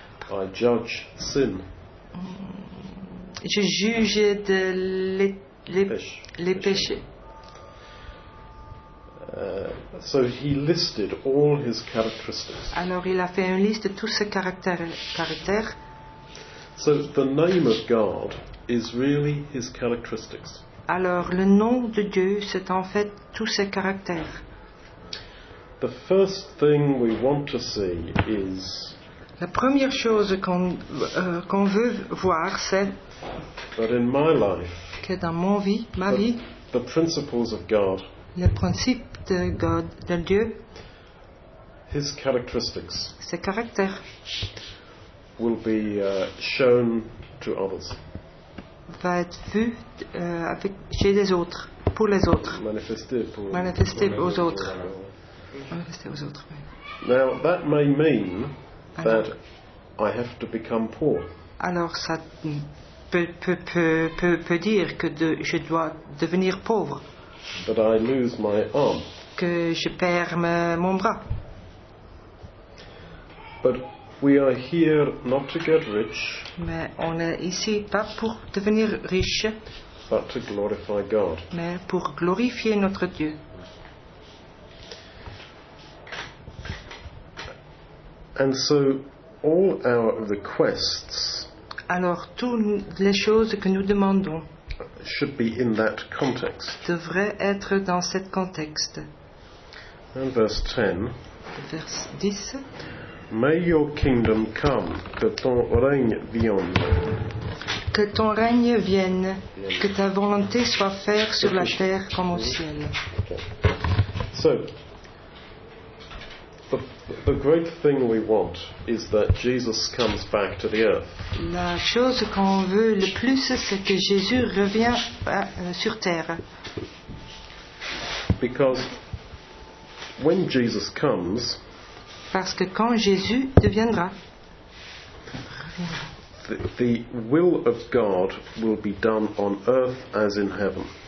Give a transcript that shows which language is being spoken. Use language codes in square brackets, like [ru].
[en] I judge sin. [fr] Je juge de les péchés. [en] So he listed all his characteristics. [fr] Alors il a fait une liste de tous ses caractères. [en] So the name of God is really his characteristics. [fr] Alors le nom de Dieu c'est en fait tous ses caractères. [en] The first thing we want to see is [fr] la première chose qu'on veut voir c'est [en] But in my life, [fr] que dans mon vie, ma vie, [en] the principles of God, [fr] le principe de God, de Dieu, [en] his characteristics, [fr] ses caractères, [en] will be shown to others. [fr] Va être vu avec, chez les autres, pour les autres. Manifesté aux autres. Manifesté aux autres. [en] Now that may mean that I have to become poor. [fr] Alors ça peut dire que je dois devenir pauvre. [en] But I lose my arm. [fr] Que je perds mon bras. [en] But we are here not to get rich. [fr] Mais on est ici pas pour devenir riche. [en] But to glorify God. [fr] Mais pour glorifier notre Dieu. [en] And so all our requests. [fr] Alors toutes les choses que nous demandons. [en] Should be in that context. [fr] Devraient être dans cet contexte. [en] And verse 10. [fr] Verse 10. [en] May your kingdom come, [fr] que ton règne vienne. Que ton règne vienne, que ta volonté soit faite sur la terre comme au ciel. [en] Okay. So, the great thing we want is that Jesus comes back to the earth. [fr] La chose qu'on veut le plus, c'est que Jésus revient sur terre. [en] Because when Jesus comes, [fr] parce que quand Jésus deviendra, [en] the will of God will be done on earth as in heaven.